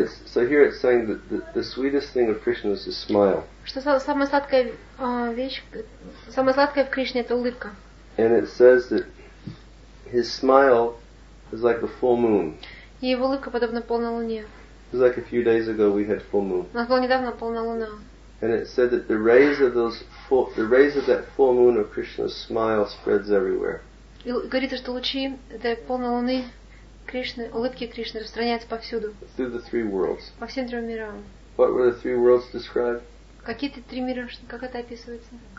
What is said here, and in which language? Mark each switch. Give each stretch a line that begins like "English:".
English: So here it's saying that the sweetest thing of Krishna is his smile.
Russian: Что самая сладкая вещь, самая сладкая в Кришне это улыбка.
English: And it says that his smile is like a full moon.
Russian: И его улыбка подобна полной луне.
English: It's like a few days ago we had full moon.
Russian: У нас была недавно полная луна.
English: And it said that the rays of that full moon of Krishna's smile spreads everywhere.
Russian: И говорится, что лучи этой полной луны Кришны, улыбки Кришны распространяются повсюду.
English: Through the three worlds.
Russian: По всем трем мирам.
English: What were the three worlds described?
Russian: Какие-то три мира, как это описывается?